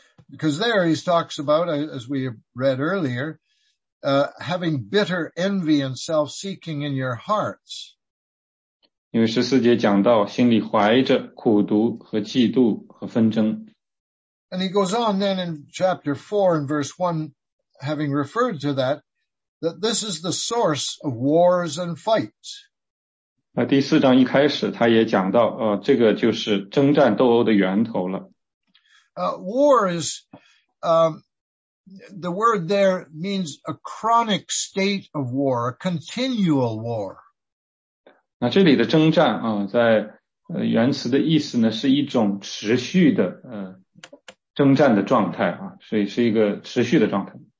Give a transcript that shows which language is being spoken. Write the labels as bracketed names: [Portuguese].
[English] Because there he talks about, as we read earlier, having bitter envy and self-seeking in your hearts. [Chinese] 因为十四节讲到心里怀着苦毒和嫉妒和纷争。 [English] And he goes on then in chapter 4 and verse 1, having referred to that this is the source of wars and fights. [Chinese] 那第四章一开始他也讲到这个就是征战斗殴的源头了。 [English] War is, the word there means a chronic state of war, a continual war. [Chinese] 那这里的征战啊在原词的意思呢是一种持续的征战的状态啊，所以是一个持续的状态。